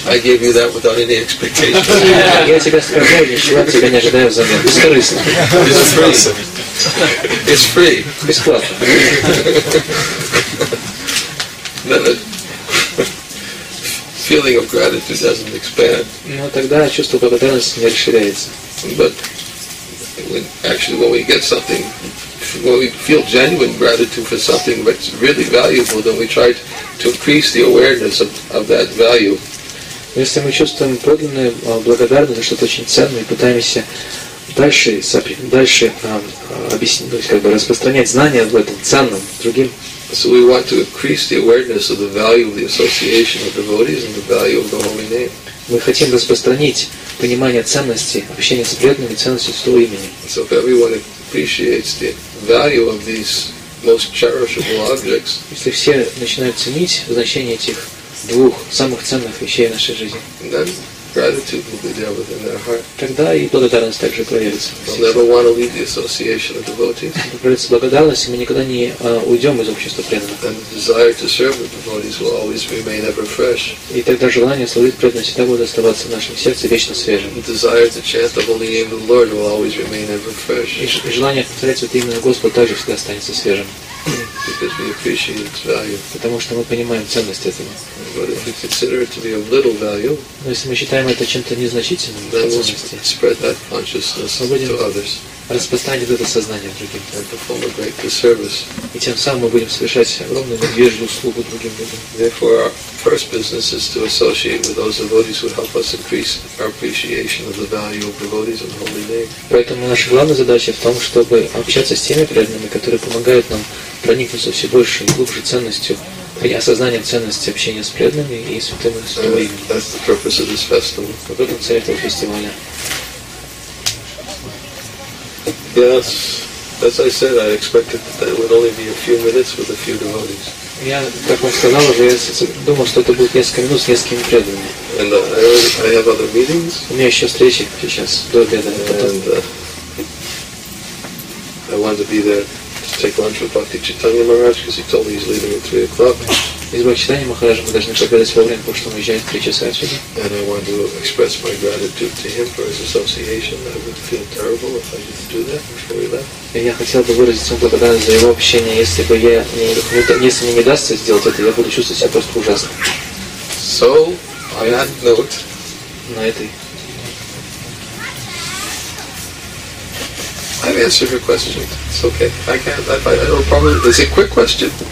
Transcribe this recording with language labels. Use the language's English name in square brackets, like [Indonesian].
[Russian] Я тебя оскорбляю, ничего от тебя не ожидаю взамен. Бескорыстно. [English] It's free. [Russian] Бесплатно. [English] Feeling of gratitude doesn't expand. [Russian] Но тогда чувство благодарности не расширяется. [English] But when actually when we get something, when we feel genuine gratitude for something that's really valuable, then we try to increase the awareness of that value. [Russian] Если мы чувствуем подлинную благодарность за что-то очень ценное, пытаемся дальше распространять знания об этом ценном другим. [English] So we want to increase the awareness of the value of the association of devotees and the value of the holy name. [Russian] Мы хотим распространить понимание ценности общения с преданными, ценности святого имени. [English] So if everyone appreciates the value of these most cherishable objects, [Russian] если все начинают ценить значение этих двух самых ценных вещей в нашей жизни, [English] then gratitude will be there within their heart. [Russian] Тогда и благодарность также проявится. [English] They'll never want to leave the association of devotees. [Russian] Проявится благодарность, и мы никогда не уйдем из общества преданных. [English] And the desire to serve the devotees will always remain ever fresh. [Russian] И тогда желание служить преданным всегда будет оставаться в нашем сердце вечно свежим. [English] The desire to chant the holy name of the Lord will always remain ever fresh. [Russian] И желание повторять это имя Господа также всегда останется свежим. [English] Because we appreciate its value. [Russian] Потому что мы понимаем ценность этого. [English] But if we consider it to be of little value, [Russian] но если мы считаем это чем-то незначительным, [English] then we'll spread that consciousness to others. [Russian] Мы будем распространять это сознание другим. [English] And perform a great service. [Russian] И тем самым мы будем совершать огромную медвежью услугу другим людям. [English] Therefore, our first business is to associate with those devotees who help us increase our appreciation of the value of devotees and holy name. [Russian] Поэтому наша главная задача в том, чтобы общаться с теми преданными, которые помогают нам проникнуться все больше и глубже ценностью, осознанием ценности общения с преданными и святыми своими. [English] That's the purpose of this festival. [Russian] Вот это цель этого фестиваля. [English] Yes, as I said, I expected that there would only be a few minutes with a few devotees. [Russian] Я, как вам сказал уже, я думал, что это будет несколько минут с несколькими преданными. [English] And I have other meetings. [Russian] У меня еще встречи сейчас до обеда. [English] And I wanted to be there to take lunch with Bhakti Chaitanya Maharaj because he told me he's leaving at 3:00. [Russian] Из Бхакти Чайтанья Махараджа мы должны собирать во время, потому что он уезжает 3 часа отсюда. [English] And I want to express my gratitude to him for his association. I would feel terrible if I didn't do that before he left. [Russian] И я хотел бы выразить ему благодарность за его общение. Если бы я если мне не дастся сделать это, я буду чувствовать себя просто ужасно. [English] So, on that note, [Russian] на этой. [English] I've answered your question. It's okay. I can't. I don't have a problem. Is it a quick question?